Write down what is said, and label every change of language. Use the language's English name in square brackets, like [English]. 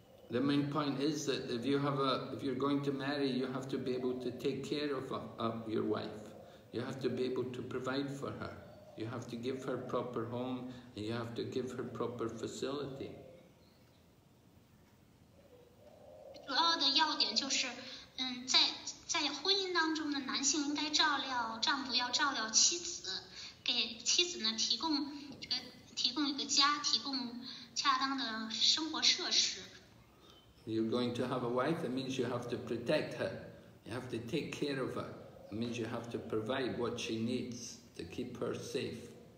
[English] The main point is that if you're going to marry, you have to be able to take care of your wife. You have to be able to provide for her. You have to give her proper home, and you have to give her proper facility. [Chinese] 主要的要点就是，在婚姻当中的男性应该照料丈夫，要照料妻子，给妻子呢提供一个家，提供恰当的生活设施。 [English] You're going to have a wife, it means you have to protect her. You have to take care of her. It means you have to provide what she needs to keep her safe.